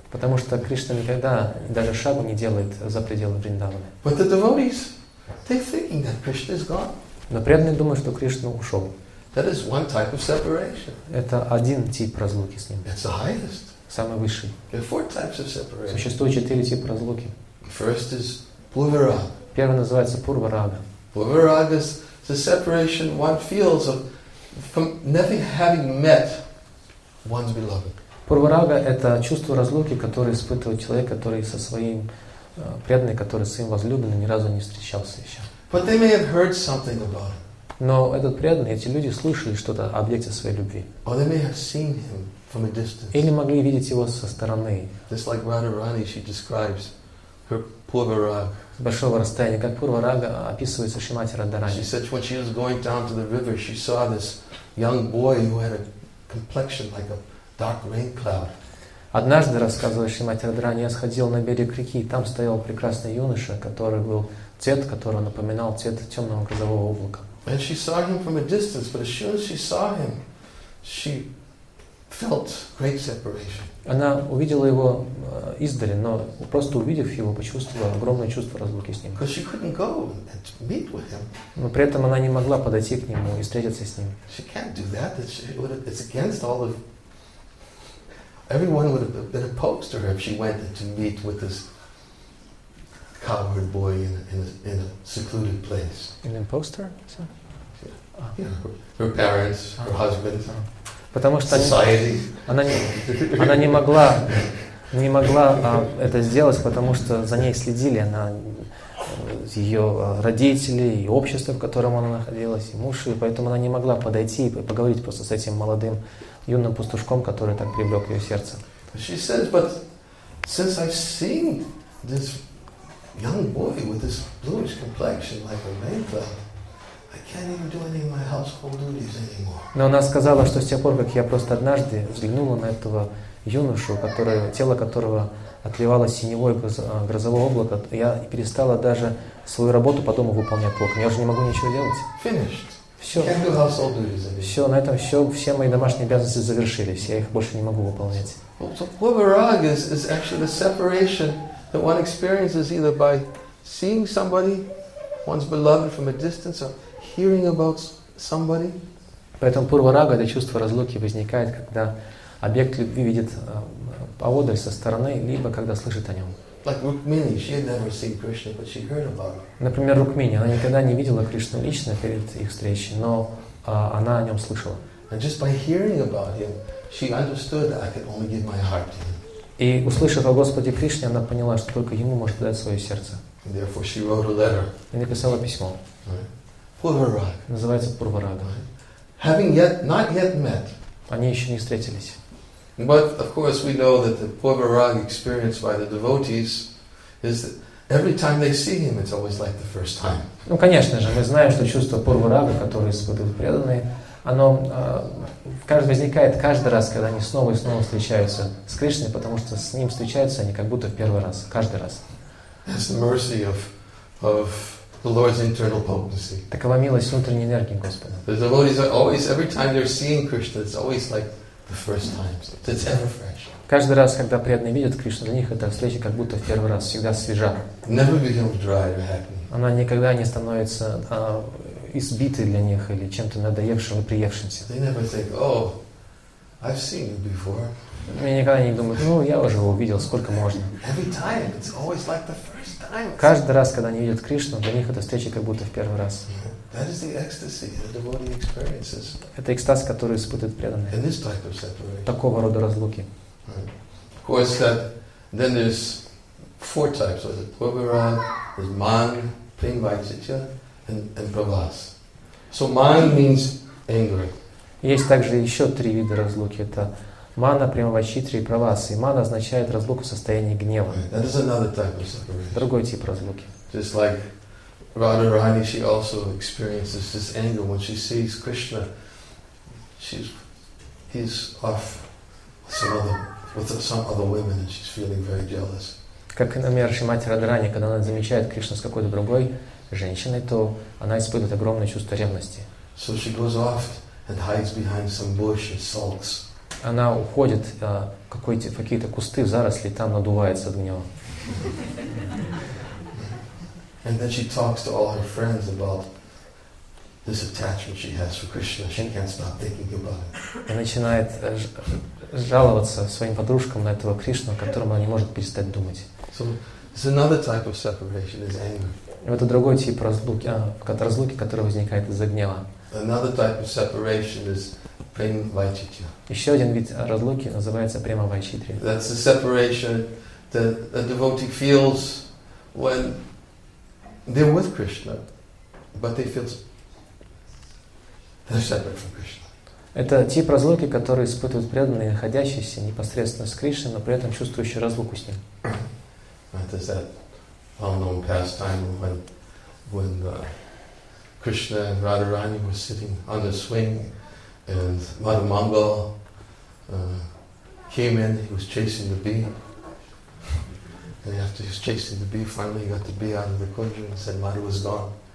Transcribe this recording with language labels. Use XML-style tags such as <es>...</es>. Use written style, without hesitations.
<ru>Потому что Кришна никогда даже шагу не делает за пределы Вриндавана.</ru> <en>But the devotees, they're thinking that Krishna is gone.</en> <ru>Но преданные думают, что Кришна ушел.</ru> <en>That is one type of separation.</en> <ru>Это один тип разлуки с ним.</ru> <en>It's the highest.</en> <ru>Самый высший.</ru> <en>There are four types of separation.</en> <ru>Существует четыре типа разлуки.</ru> <en>First is Purvarāga.</en> <ru>Первый называется Пурварага.</ru> <en>Purvarāga is the separation one feels of from never having met one's beloved.</en> <ru>Пурварага – это чувство разлуки, которое испытывает человек, который со своим преданным, который со своим возлюбленным ни разу не встречался еще.</ru> <en>But they may have heard something about him.</en> <ru>Но этот преданный, эти люди слышали что-то об объекте своей любви.</ru> <en>Or they may have seen him from a distance.</en> <ru>Или могли видеть его со стороны.</ru> <en>Just like Radharani, she describes her Purvarāga.</en> <ru>С большого расстояния, как Пурварага описывается Шримати Радхарани.</ru> <en>She said when she was going down to the river, she saw this young boy who had a complexion like a dark rain cloud.</en> <ru>Однажды, рассказывала Шримати Радхарани, я сходил на берег реки, и там стоял прекрасный юноша, который был цвет, который напоминал цвет темного грозового облака.</ru> <en>And she saw him from a distance, but as soon as she saw him, she felt great separation.</en> <ru>Она увидела его издали, но просто увидев его, почувствовала огромное чувство разлуки с ним.</ru> <en>Because she couldn't go and meet with him.</en> <ru>Но при этом она не могла подойти к нему и встретиться с ним.</ru> <en>She can't do that. It's against all of. Everyone would have been opposed to her if she went to meet with this coward boy in a secluded place. An imposter? So? Yeah. Yeah. Her parents, her husband.</en> <ru>Потому что</ru> <en>society.</en> <ru>Она не могла это сделать, потому что за ней следили, она ее родители и общество, в котором она находилась, и муж, и поэтому она не могла подойти и поговорить просто с этим молодым юным пастушком, который так привлек ее сердце.</ru> <en>She says, but since I've seen this young boy with this bluish complexion like a rainbow, I can't even do any of my household duties anymore.</en> <ru>Но она сказала, что с тех пор, как я просто однажды взглянула на этого юношу, тело которого отливало синевое грозовое облако, я перестала даже свою работу по дому выполнять плохо. Я уже не могу ничего делать.</ru> <en>Finished.</en> <ru>Все.</ru> <en>Can't do household duties anymore.</en> <ru>Все, на этом все мои домашние обязанности завершились. Я их больше не могу выполнять.</ru> <en>Well, so Purvarāga is actually the separation that one experiences either by seeing somebody one's beloved from a distance, or hearing about somebody.</en> <ru>Поэтому пурва-рага — это чувство разлуки возникает, когда объект любви видит поодаль со стороны, либо когда слышит о нем.</ru> <en>Like Rukmini, she had never seen Krishna, but she heard about him.</en> <ru>Например, Рукмини, она никогда не видела Кришну лично перед их встречей, но она о нем слышала.</ru> <en>And just by hearing about him, she understood that I could only give my heart to him.</en> <ru>И услышав о Господе Кришне, она поняла, что только ему может дать свое сердце.</ru> <en>And therefore, she wrote a letter.</en> <ru>И написала письмо. Пурварага. Называется Пурварага.</ru> <en>Having yet not yet met.</en> <ru>Они еще не встретились.</ru> <en>But of course we know that the Purvarag experience by the devotees is that every time they see him, it's always like the first time.</en> <ru>Ну, конечно же, мы знаем, что чувство Пурварага, которое испытывают преданные, оно возникает каждый раз, когда они снова и снова встречаются с Кришной, потому что с ним встречаются они как будто в первый раз, каждый раз.</ru> <en>That's the mercy of the Lord's internal potency.</en> <ru>Такова милость внутренней энергии Господа.</ru> <en>The devotees are always, every time they're seeing Krishna, it's always like the first time. It's ever fresh.</en> <ru>Каждый раз, когда преданные видят Кришну, для них эта встреча как будто в первый раз, всегда свежа.</ru> <en>Never becomes dry or happy.</en> <ru>Она никогда не становится избитой для них или чем-то надоевшим и приевшимся.</ru> <en>They never think, oh, I've seen you before.</en> <ru>Они никогда не думают, ну, я уже его увидел, сколько можно.</ru> <en>Every time, it's always like the first time.</en> <ru>Каждый раз, когда они видят Кришну, для них эта встреча как будто в первый раз.</ru> <en>That is the ecstasy that the devotee experiences.</en> <ru>Это экстаз, который испытывает преданный.</ru> <en>And this type of separation.</en> <ru>Такого рода разлуки.</ru> <en>Of course, that, then there's four types. There's Purvarag, there's Mang, Primvaichitya, and Pravas. So Mang means angry.</en> <ru>Есть также еще три вида разлуки. Это Мана, Примавачитри и Правас. И мана означает разлуку в состоянии гнева.</ru> <en>Right.</en> <ru>Другой тип разлуки.</ru> <en>Just like Radharani, she also experiences this anger when she sees Krishna. He's off with some other women, and she's feeling very jealous.</en> <ru>Как, например, Шримати Радхарани, когда она замечает Кришну с какой-то другой женщиной, то она испытывает огромное чувство ревности.</ru> <en>So she goes off and hides behind some bush and sulks.</en> <ru>Она уходит в какие-то кусты, в заросли, и там надувается от гнева.</ru> <en>And then she talks to all her friends about this attachment she has for Krishna. She can't stop thinking about it.</en> <ru>И начинает жаловаться своим подружкам на этого Кришну, о котором она не может перестать думать.</ru> <en>So it's another type of separation, is anger.</en> <ru>И это другой тип разлуки, который возникает из-за гнева.</ru> <en>Another type of separation is Primvaichitya.</en> <ru>Еще один вид разлуки называется Примавайчитри.</ru> <en>That's the separation that a devotee feels when they're with Krishna, but they feel they're separate from Krishna.</en> <ru>Это тип разлуки, который испытывают преданные, находящиеся непосредственно с Кришной, но при этом чувствующие разлуку с ним.</ru> <en>That's that well-known pastime when Krishna and Radharani were sitting on the swing. And Madhu Mangal came in, he was chasing the bee. And after he was chasing the bee, finally he got the bee out of the kunja and said Madhu was gone.</en>